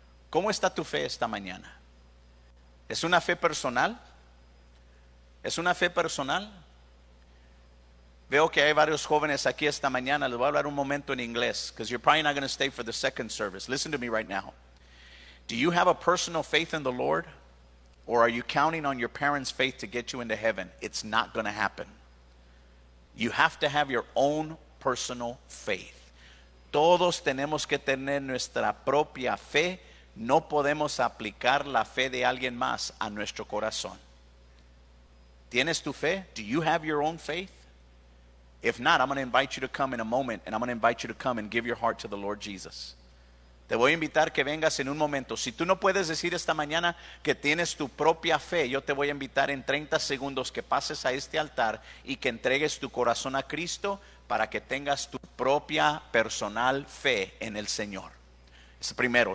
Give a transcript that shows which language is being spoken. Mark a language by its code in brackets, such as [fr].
[es] ¿Cómo está tu fe esta mañana? ¿Es una fe personal? ¿Es una fe personal? Veo que hay varios jóvenes aquí esta mañana. Les voy a hablar un momento en inglés, [en] because you're probably not going to stay for the second service. Listen to me right now. Do you have a personal faith in the Lord? Or are you counting on your parents' faith to get you into heaven? It's not going to happen. You have to have your own personal faith. [es] Todos tenemos que tener nuestra propia fe. No podemos aplicar la fe de alguien más a nuestro corazón. ¿Tienes tu fe? [en] Do you have your own faith? If not, I'm going to invite you to come in a moment, and I'm going to invite you to come and give your heart to the Lord Jesus. [es] Te voy a invitar que vengas en un momento. Si tú no puedes decir esta mañana que tienes tu propia fe, yo te voy a invitar en 30 segundos que pases a este altar y que entregues tu corazón a Cristo para que tengas tu propia personal fe en el Señor. Es primero.